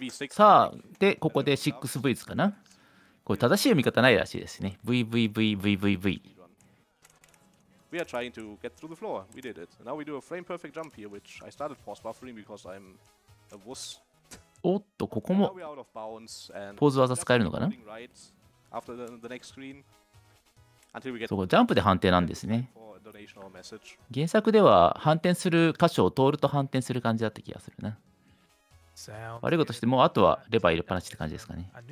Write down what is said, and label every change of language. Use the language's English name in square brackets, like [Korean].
[Japanese] さあ、で、ここで 6Vs かな。これ正しい読み方ないらしいですね。 VVVVVV。 [English] We are trying to get through the floor. We did it. Now we do a frame perfect jump here, which I started pause buffering because I'm a wuss. [Japanese] おっと、ここもポーズ技使えるのかな。そこジャンプで反転なんですね。原作では反転する箇所を通ると反転する感じだった気がするな。悪いことしてもあとはレバー入れっぱなしって感じですかね。